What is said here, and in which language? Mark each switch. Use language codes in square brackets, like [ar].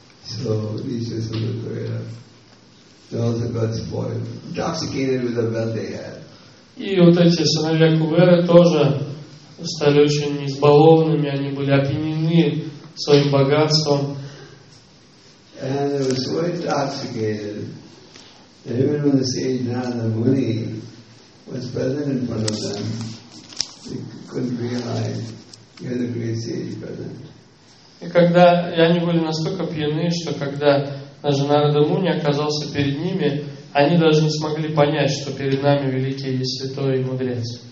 [en] So these are some of the girls that got spoiled, intoxicated with the wealth they had. [ru] И вот эти сыновья Куверы тоже стали очень избалованными. Они были опьянены своим богатством. [en] And they were so intoxicated that even when the sage Narada Muni was present in front of them, they couldn't realize he had a great sage present. [ru] И когда и они были настолько пьяны, что когда даже Нарада Муни оказался перед ними, они даже не смогли понять, что перед нами великий и святой и мудрец.